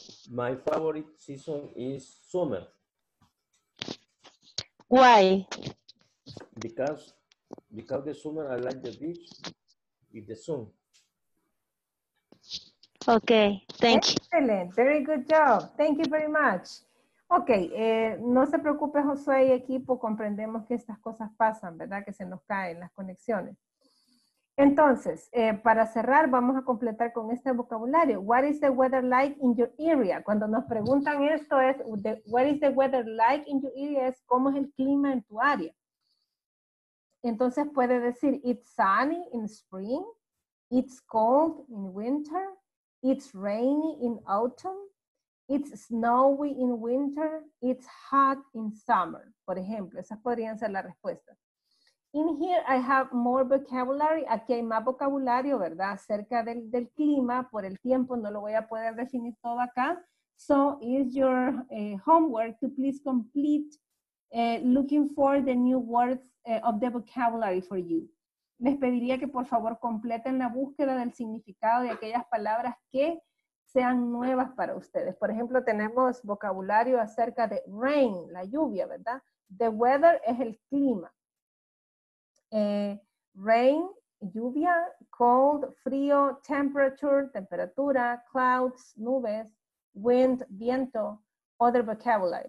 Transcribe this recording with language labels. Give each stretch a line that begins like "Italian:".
English: My favorite season is summer. Why? Because the summer I like the beach with the sun. Okay, thank you. Excellent. Very good job. Thank you very much.
Spanish: Ok, no se preocupe, Josué y equipo, comprendemos que estas cosas pasan, ¿verdad? Que se nos caen las conexiones. Entonces, para cerrar, vamos a completar con este vocabulario.
English: What is the weather like in your area?
Spanish: Cuando nos preguntan esto es,
English: what is the weather like in your area?
Spanish: Es, ¿cómo es el clima en tu área? Entonces puede decir,
English: it's sunny in spring, it's cold in winter, it's rainy in autumn, it's snowy in winter, it's hot in summer.
Spanish: Por ejemplo, esas podrían ser las respuestas.
English: In here I have more vocabulary.
Spanish: Aquí hay más vocabulario, ¿verdad? Acerca del clima. Por el tiempo no lo voy a poder definir todo acá.
English: So is your homework to please complete looking for the new words of the vocabulary for you.
Spanish: Les pediría que por favor completen la búsqueda del significado de aquellas palabras que sean nuevas para ustedes. Por ejemplo, tenemos vocabulario acerca de rain, la lluvia, ¿verdad?
English: The weather
Spanish: es el clima.
English: Rain, lluvia, cold, frío, temperature, temperatura, clouds, nubes, wind, viento, other vocabulary.